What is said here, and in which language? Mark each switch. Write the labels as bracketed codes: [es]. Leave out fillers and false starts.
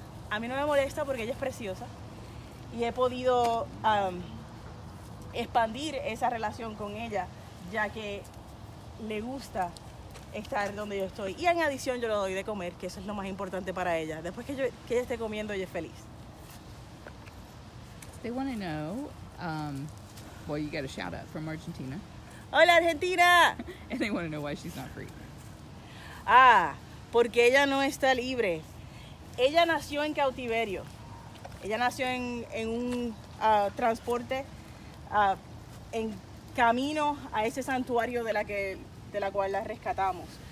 [es] A mí no me molesta porque ella es preciosa y he podido expandir esa relación con ella, ya que le gusta estar donde yo estoy. Y en adición yo le doy de comer, que eso es lo más importante para ella. Después que, yo, que ella esté comiendo, ella es feliz. [en] They want to know, well, you get a shout out from Argentina. [es] ¡Hola, Argentina! [en] And they want to know why she's not free. [es] Ah, porque ella no está libre. Ella nació en cautiverio. Ella nació en un transporte en camino a ese santuario de la que de la cual la rescatamos.